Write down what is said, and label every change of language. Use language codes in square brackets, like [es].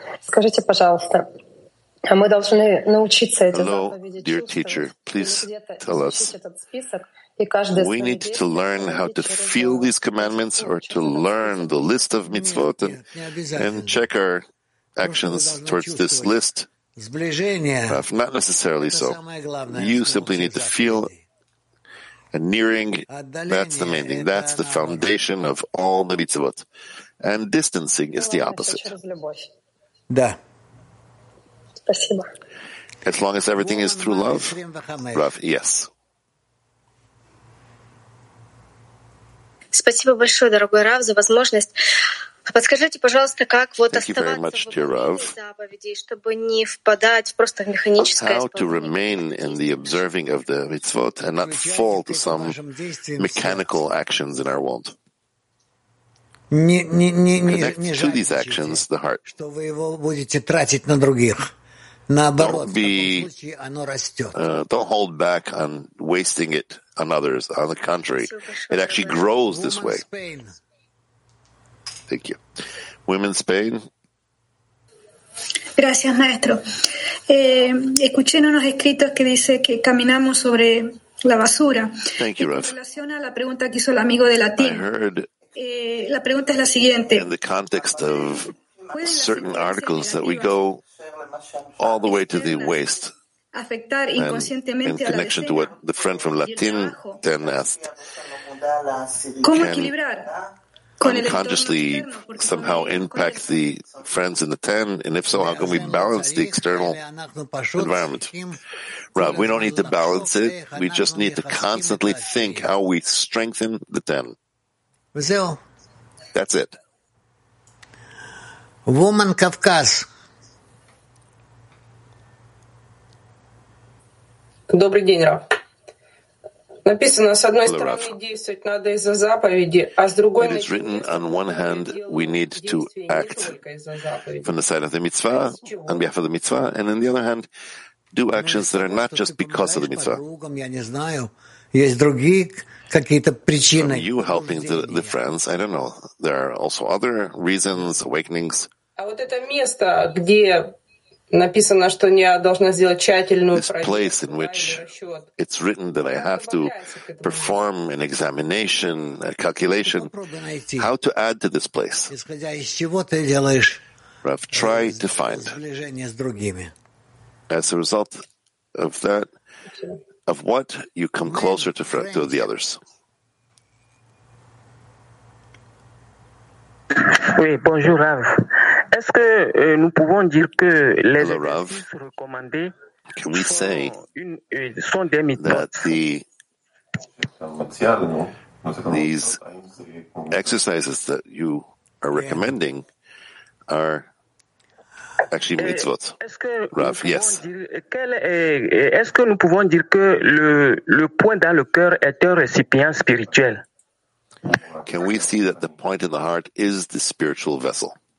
[ru] Скажите, пожалуйста, а мы должны научиться эти [en] Hello, [ru] заповеди [en] dear teacher. Please tell us. We need to learn how to feel these commandments or to learn the list of mitzvot and check our actions towards this list. Not necessarily so. You simply need to feel a nearing. That's the main thing. That's the foundation of all the mitzvot. And distancing is the opposite. [ru] Да. Спасибо. [en] As long as everything is through love, Rav, yes. [ru] Спасибо большое, дорогой Рав, за возможность. Подскажите, пожалуйста, как вот [en] Thank [ru] оставаться [en] much, [ru] в заповеди, чтобы не впадать в просто в механическое [en] How to remain in the observing of the mitzvot and not fall to some mechanical actions in our world? [ru] Не [en] Connect to these actions, the heart. [ru] Что вы его будете тратить на других. [en] Don't hold back on wasting it on others. On the contrary, it actually grows this way. Thank you. Women Spain. [es] Gracias, maestro. Escuché en unos escritos que dice que caminamos sobre la basura. [en] Thank you, Rav. [es] En relación a la pregunta que hizo el amigo de Latín. La pregunta es la siguiente. [en] In the context of certain articles that we go all the way to the waste. [es] Afectar inconscientemente [en] in connection to what the friend from Latin then asked. [es] ¿Cómo equilibrar? [en] Unconsciously somehow impact the friends in the ten, and if so, how can we balance the external environment? Rav, we don't need to balance it. We just need to constantly think how we strengthen the ten. That's it. Woman Kavkaz. [ru] Добрый день, Рав. Написано, с одной стороны действовать надо из-за заповеди, а с другой [en] It is written, on one hand, we need to act from the side of the mitzvah, on behalf of the mitzvah, and on the other hand, do actions that are not just because of the mitzvah. [ru] Я не знаю, есть другие какие-то причины. [en] You helping the friends, I don't know. There are also other reasons, awakenings. [ru] А вот это место, где написано, что я должна сделать тщательную проверку. [en] This place in which it's written that I have to perform an examination, a calculation. How to add to this place? [ru] Исходя из чего ты делаешь? [en] Rav, try to find. [ru] Сближение с другими. [en] As a result of that, of what you come closer to the others. [fr] Oui, bonjour Rav. Est-ce que nous pouvons dire que les [en] Hello, Rav. [fr] Recommandés [en] Can we say [fr] sont des mitzvot? [en] These exercises that you are recommending are actually mitzvot. Rav, yes. [fr] Est-ce que nous pouvons dire que le point dans le cœur est un récipient spirituel? [en] Can we see that the point in the heart is the spiritual vessel?